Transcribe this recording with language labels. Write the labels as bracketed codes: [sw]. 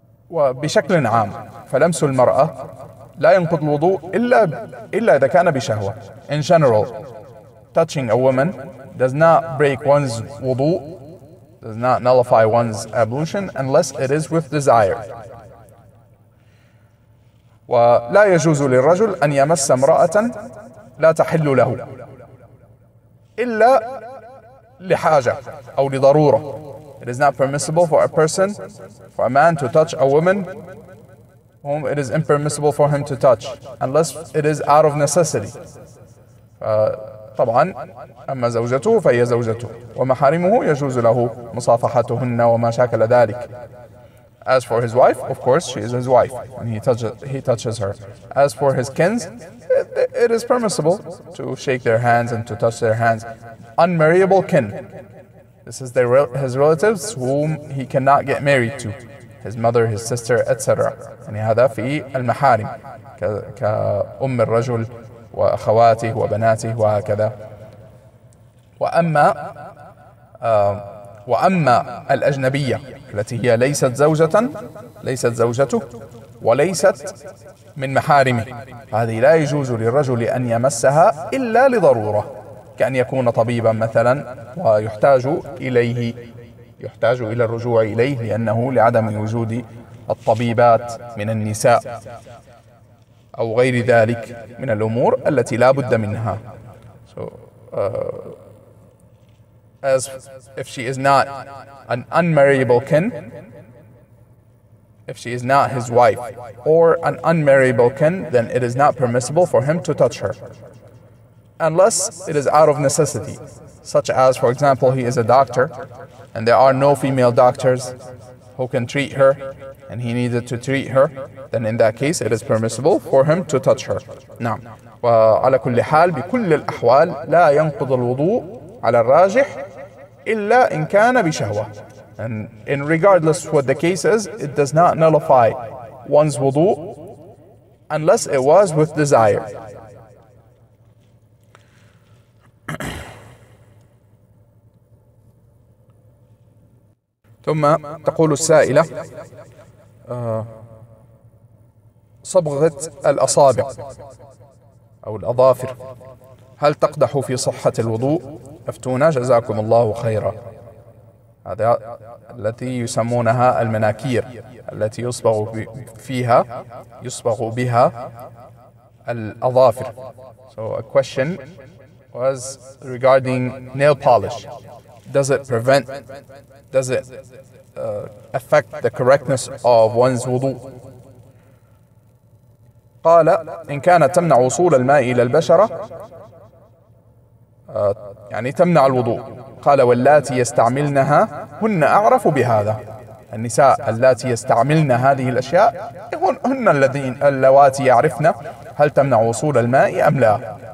[ar] وبشكل عام، فلمس المرأة لا ينقض الوضوء إلا إذا كان بشهوة. [en] In general, touching a woman does not break one's wudu, does not nullify one's ablution unless it is with desire. [ar] ولا يجوز للرجل أن يمس امرأة لا تحل له إلا لحاجة أو لضرورة. [en] It is not permissible for a man to touch a woman whom it is impermissible for him to touch, unless it is out of necessity. [ar] طبعا أما زوجته فهي زوجته، ومحارمه يجوز له مصافحتهن وما شاكل ذلك. [en] As for his wife, of course she is his wife and he touches her. As for his kins, it is permissible to shake their hands and to touch their hands. Unmarriable kin, this is his relatives whom he cannot get married to. His mother, his sister, etc. [ar] يعني هذا في المحارم كأم الرجل وأخواته وبناته وهكذا. وأما الأجنبية التي هي ليست زوجته وليست من محارمه، هذه لا يجوز للرجل أن يمسها إلا لضرورة. كأن يكون طبيبا مثلا ويحتاج إليه، يحتاج إلى الرجوع إليه لأنه لعدم وجود الطبيبات من النساء أو غير ذلك من الأمور التي لا بد منها. [en] As if she is not an unmarriable kin, if she is not his wife or an unmarriable kin, then it is not permissible for him to touch her unless it is out of necessity, such as, for example, he is a doctor and there are no female doctors who can treat her and he needed to treat her, then in that case it is permissible for him to touch her. [ar] نعم. وعلى كل حال بكل الأحوال لا ينقض الوضوء على الراجح إلا إن كان بشهوة. [en] And in regardless what the case is, it does not nullify one's wudu unless it was with desire. [ar] ثم تقول السائلة صبغة الأصابع أو الأظافر هل تقدح في صحة الوضوء؟ أفتونا جزاكم الله خيرا. هذا التي يسمونها المناكير التي يصبغ فيها يصبغ بها الأظافر. [en] So a question was regarding nail polish. Does it prevent? Does it affect the correctness of one's wudu? [ar] قال إن كانت تمنع وصول الماء إلى البشرة يعني تمنع الوضوء. قال واللاتي يستعملنها هن أعرف بهذا. النساء اللاتي يستعملن هذه الأشياء هن الذين اللواتي يعرفن هل تمنع وصول الماء أم لا.